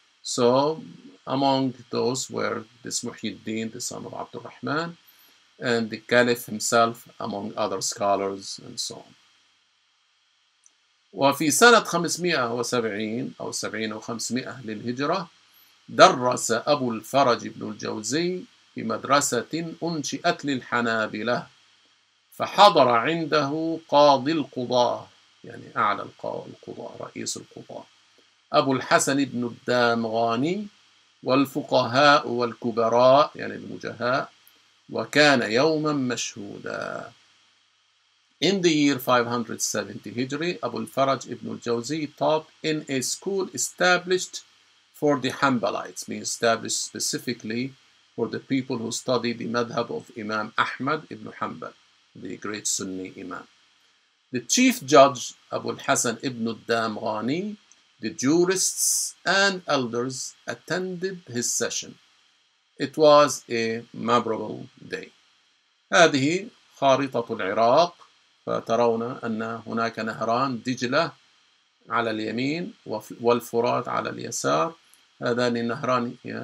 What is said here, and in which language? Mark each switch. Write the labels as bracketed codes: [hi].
[en] So among those were this Muhyiddin, the son of Abdul Rahman, and the Caliph himself, among other scholars, and so on. [ar] وفي سنة 570 أو 70 أو 500 للهجرة درس أبو الفرج بن الجوزي في مدرسة أنشئت للحنابلة فحضر عنده قاضي القضاء, يعني أعلى القضاء, رئيس القضاء, أبو الحسن بن الدامغاني والفقهاء والكبراء, يعني المجهاء, وكان يوما مشهودا. [en] In the year 570 Hijri, أبو الفرج بن الجوزي taught in a school established for the Hanbalites, means established specifically for the people who study the madhab of Imam Ahmad ibn Hanbal, the great Sunni Imam. The chief judge, Abu al-Hasan ibn al-Damghani, the jurists and elders attended his session. It was a memorable day. [ar] هذه خارطة العراق, فترون أن هناك نهران, دجلة على اليمين والفرات على اليسار, هذان النهران